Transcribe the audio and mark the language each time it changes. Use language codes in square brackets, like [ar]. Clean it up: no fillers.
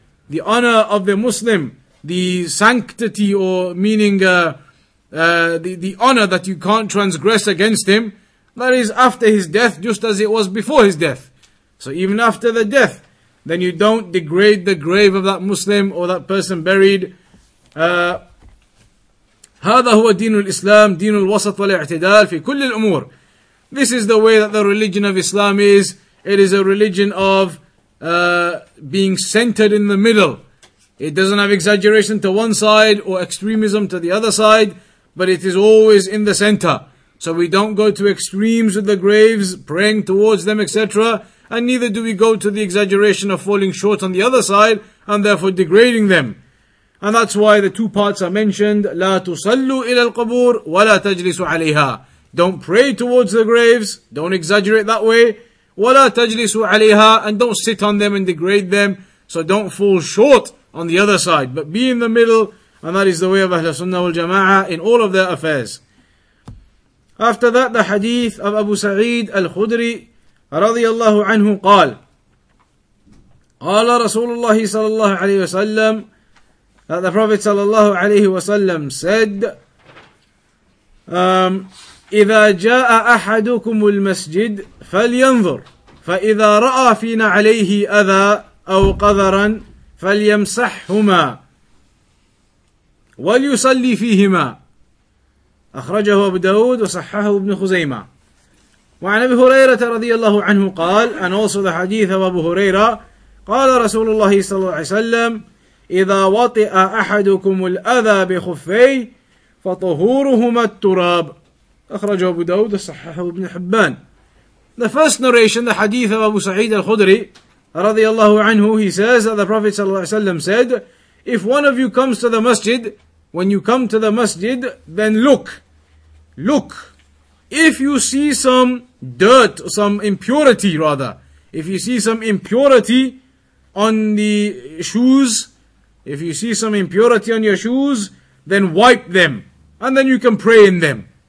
[en] The honor of the Muslim, the sanctity, or meaning the honor that you can't transgress against him, that is after his death, just as it was before his death. So even after the death, then you don't degrade the grave of that Muslim or that person buried. [ar] هذا هو دين الإسلام دين الوسط والاعتدال في كل الأمور. [en] This is the way that the religion of Islam is. It is a religion of being centered in the middle. It doesn't have exaggeration to one side or extremism to the other side, but it is always in the center. So we don't go to extremes with the graves, praying towards them, etc., and neither do we go to the exaggeration of falling short on the other side and therefore degrading them. And that's why the two parts are mentioned. [ar] لا تصلوا إلى القبور ولا تجلسوا عليها. [en] Don't pray towards the graves, don't exaggerate that way. [ar] ولا تجلسوا عليها, [en] and don't sit on them and degrade them. So don't fall short on the other side, but be in the middle. And that is the way of Ahl Sunnah wal Jama'ah in all of their affairs. After that, the hadith of Abu Sa'id al-Khudri [ar] رضي الله عنه قال قال رسول الله صلى الله عليه وسلم [en] that the Prophet [ar] صلى الله عليه وسلم said إذا جاء أحدكم المسجد فلينظر فإذا رأى في نعليه أذى أو قذرا فليمسحهما وليصلي فيهما أخرجه أبو داود وصححه ابن خزيمة. وعن أبي هريرة رضي الله عنه قال [en] and also the hadith of Abu Huraira, [ar] قال رسول الله صلى الله عليه وسلم إذا وطئ أحدكم الأذى بخفي فطهورهما التراب أخرجه أبو داود وصححه ابن حبان. [en] The first narration, the hadith of Abu Sa'id al-Khudri [ar] رضي الله عنه, [en] he says that the Prophet [ar] صلى الله عليه وسلم [en] said, if one of you comes to the masjid, when you come to the masjid, then look, if you see some dirt, some impurity rather, if you see some impurity on the shoes, if you see some impurity on your shoes, then wipe them, and then you can pray in them.